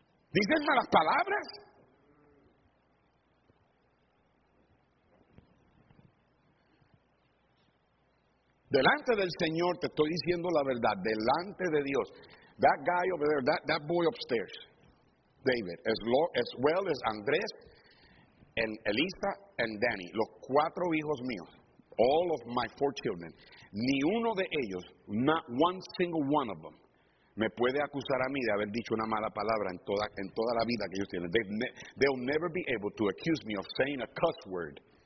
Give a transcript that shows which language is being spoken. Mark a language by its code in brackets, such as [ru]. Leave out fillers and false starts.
[es] ¿Dices malas palabras? Delante del Señor, te estoy diciendo la verdad, delante de Dios. [en] That guy over there, that boy upstairs. [es] David, [en] as well as [es] Andrés, and Elisa, and Danny, los cuatro hijos míos, [en] all of my four children, [es] ni uno de ellos, [en] not one single one of them, [es] me puede acusar a mí de haber dicho una mala palabra en toda la vida que ellos tienen. [en] They'll never be able to accuse me of saying a cuss word.